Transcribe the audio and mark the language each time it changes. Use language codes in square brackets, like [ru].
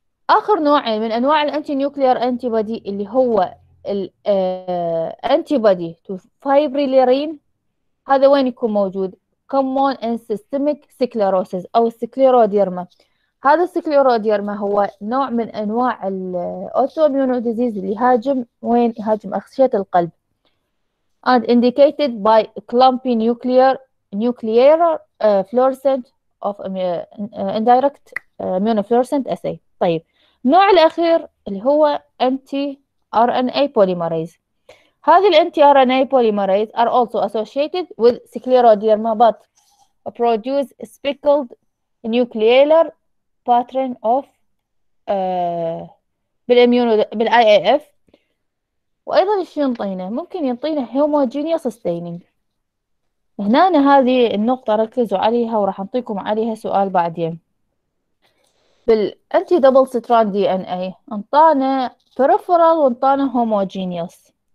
[ar] اخر نوعين من انواع الانتي نيوكليير انتي بودي اللي هو الانتي بودي تو فايبريلرين، هذا وين يكون موجود؟ كومون ان سيستميك سكليروسز او السكليروديرما. هذا السكليروديرما هو نوع من انواع الاوتو اميون ديزيز اللي يهاجم وين؟ يهاجم اغشيه القلب. [en] And indicated by clumpy nuclear fluorescent of indirect immunofluorescent assay. [ar] طيب النوع الأخير اللي هو anti RNA polymerase. [en] هذه ال anti RNA polymerase are also associated with scleroderma but produce speckled nuclear pattern of بال IAF. [ar] وايضا ايش ينطينا؟ ممكن ينطينا هوموجينيوس ستيننج. هنا هذه النقطه ركزوا عليها وراح اعطيكم عليها سؤال بعدين. بالانتي دبل ستراند دي ان اي انطانا بيريفيرال وانطانا هوموجينيوس.